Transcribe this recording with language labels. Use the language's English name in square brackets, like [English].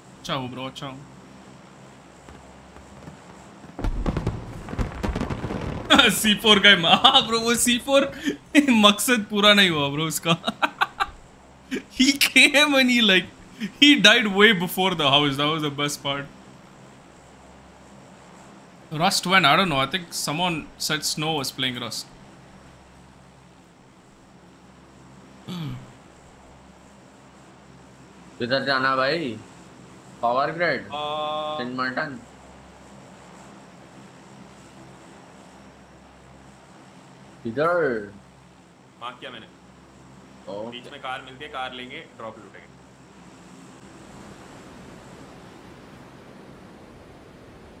[Hindi] अच्छा हूँ ब्रो, अच्छा हूँ। C4 का ही हाँ ब्रो, वो C4 मकसद पूरा नहीं हुआ ब्रो उसका। [English] He came and he like he died way before the house. That was the best part. Rust went. I don't know. I think someone said Snow was playing Rust. [Hindi] किधर जाना भाई? [English] Power grid. Send Martin. [Hindi] किधर? मार क्या मैंने? बीच में car मिलती है, कार लेंगे, ड्रॉप लूटेंगे।